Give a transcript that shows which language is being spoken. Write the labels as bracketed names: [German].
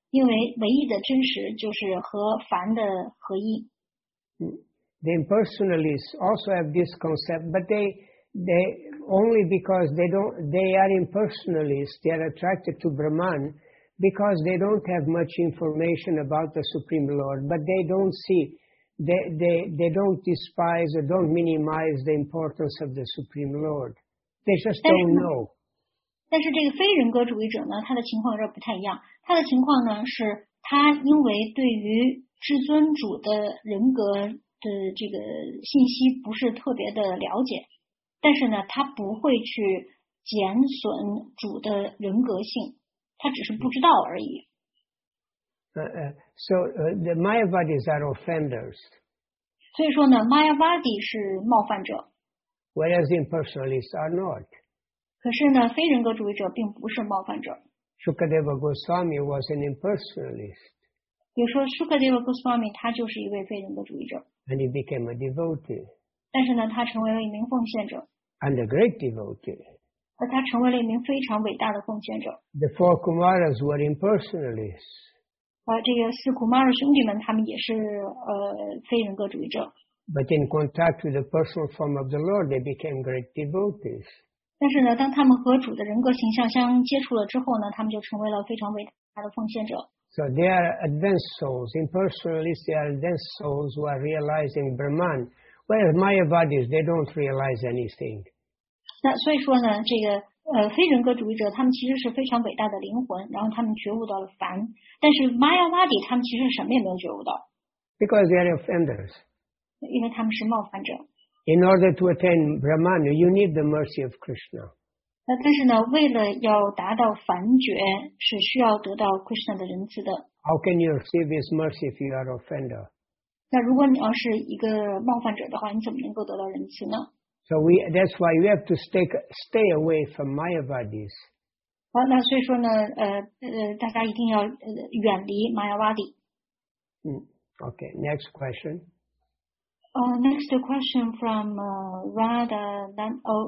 [Chinese] 因为唯一的真实就是和凡的合一。 [English] The impersonalists also have this concept, but they only because they are impersonalists, they are attracted to Brahman because they don't have much information about the Supreme Lord, but they don't see, they don't despise or don't minimize the importance of the Supreme Lord. They just don't know. [Chinese] 但是这个非人格主义者呢，他的情况这不太一样。他的情况呢，是他因为对于至尊主的人格的这个信息不是特别的了解，但是呢，他不会去减损主的人格性，他只是不知道而已。 [English] The Mayavadis are offenders. [Chinese] 所以说呢 ，Mayavadi 是冒犯者 [English] ，whereas impersonalists are not. [Chinese] 可是呢，非人格主义者并不是冒犯者。 [English] Shukadeva Goswami was an impersonalist. [Chinese] 比如说 ，Shukadeva Goswami 他就是一位非人格主义者。 [English] And he became a devotee. [Chinese] 但是呢，他成为了一名奉献者。 [English] And a great devotee. [Chinese] 而他成为了一名非常伟大的奉献者。 [English] The four Kumaras were impersonalists. [Chinese] 这个四库玛尔兄弟们他们也是非人格主义者。 [English] But in contact with the personal form of the Lord, they became great devotees. [Chinese] 但是呢，当他们和主的人格形象相接触了之后呢，他们就成为了非常伟大的奉献者。 [English] So they are advanced souls. Impersonalists, they are advanced souls who are realizing Brahman. Whereas Mayavadis, they don't realize anything. [Chinese] 那所以说呢，这个非人格主义者他们其实是非常伟大的灵魂，然后他们觉悟到了凡。但是 Mayavadi 他们其实什么也没有觉悟到。 [English] Because they are offenders. [Chinese] 因为他们是冒犯者。 [English] In order to attain Brahman, you need the mercy of Krishna. [Chinese] 但是呢，为了要达到凡觉，是需要得到 Krishna 的仁慈的。 [English] How can you receive His mercy if you are an offender? [Chinese] 那如果你要是一个冒犯者的话，你怎么能够得到仁慈呢？ [English] So that's why you have to stay away from Mayavadis. [Chinese] 好，那所以说呢，大家一定要远离 Mayavadi。 [English] Okay, next question. Next question from Radha Nan.